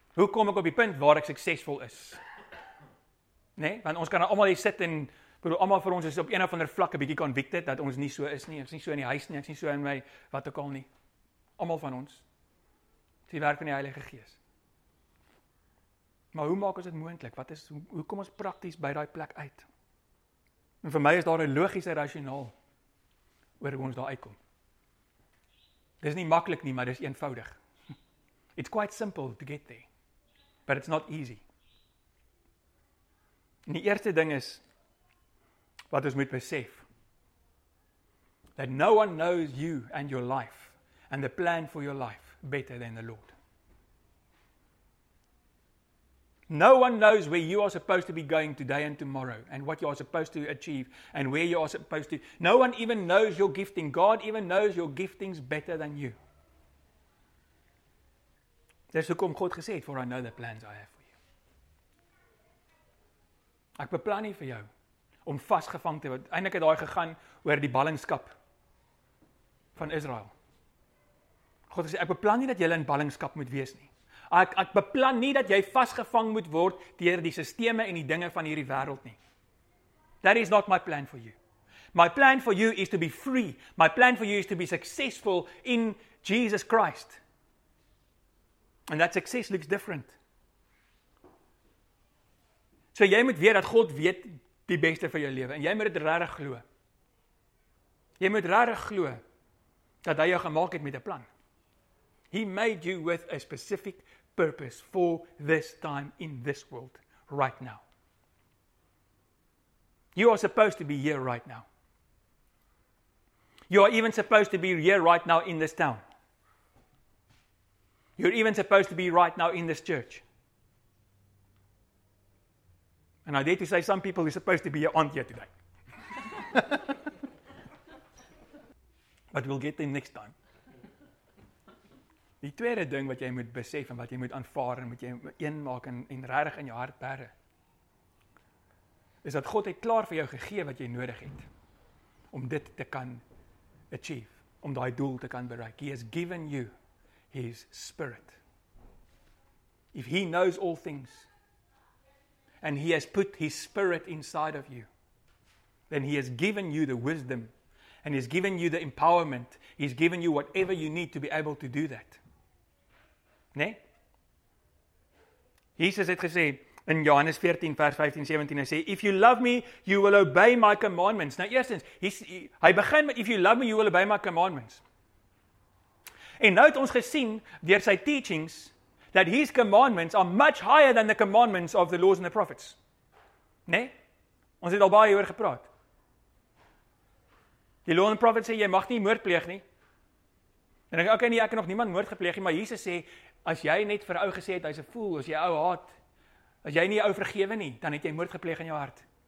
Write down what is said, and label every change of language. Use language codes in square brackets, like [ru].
[af] Hoe kom ek op die punt waar ek suksesvol is? Né? Nee? Want ons kan nou almal hier sit en bedoel almal vir ons is op een of ander vlak 'n bietjie convicted dat ons nie so is nie. Ek is nie so in die huis nie, ek is nie so in my wat ook al nie. Almal van ons. Dit is die werk van die Heilige Gees. Maar hoe maak ons dit moontlik? Wat is hoe kom ons prakties by daai plek uit? En vir my is daar 'n logiese rasionaal oor hoe ons daar uitkom. Dis nie maklik nie, maar dis eenvoudig. [en] It's quite simple to get there, but it's not easy. [af] En die eerste ding is wat ons moet besef. [en] That no one knows you and your life and the plan for your life better than the Lord. No one knows where you are supposed to be going today and tomorrow and what you are supposed to achieve and where you are supposed to. No one even knows your gifting. God even knows your giftings better than you. [af] Dis hoekom God gesê het, [en] for I know the plans I have for you. [af] Ek beplan nie vir jou om vasgevang te word. Eindelijk het daar gegaan oor die ballingskap van Israel. God gesê, ek beplan nie dat jy in ballingskap moet wees nie. Ek beplan nie dat jy vasgevang moet word deur die sisteme en die dinge van hierdie wêreld nie. [en] That is not my plan for you. My plan for you is to be free. My plan for you is to be successful in Jesus Christ. And that success looks different. [af] So jy moet weet dat God weet die beste vir jou lewe en jy moet dit regtig glo. Jy moet regtig glo dat hy jou gemaak het met 'n plan. [en] He made you with a specific purpose for this time in this world, right now. You are supposed to be here right now. You are even supposed to be here right now in this town. You're even supposed to be right now in this church. And I dare to say some people are supposed to be your aunt here today. But we'll get them next time. [af] Die tweede ding wat jy moet besef en wat jy moet aanvaar en moet jy een maak en regtig in jou hart bære, is dat God het klaar vir jou gegee wat jy nodig het om dit te kan achieve, om daai doel te kan bereik. [en] He has given you His Spirit. If He knows all things and He has put His Spirit inside of you, then He has given you the wisdom and He has given you the empowerment. He has given you whatever you need to be able to do that. [af] Nee? Jesus het gesê in Johannes 14 vers 15 17 hy sê [en] if you love me you will obey my commandments. [af] Nou eerstens hy begin met [en] if you love me you will obey my commandments. [af] En nou het ons gesien deur sy teachings [en] that his commandments are much higher than the commandments of the laws and the prophets. [af] Nee? Ons het al baie oor gepraat. Die [en] law and the prophets [af] sê jy mag nie moord pleeg nie. En ek okay nie ek het nog niemand moord gepleeg nie, maar Jesus sê as jy net vir ou gesê het, hy's 'n fool, as jy ou haat, as jy nie ou vergewe nie, dan het jy moord gepleeg in jou hart.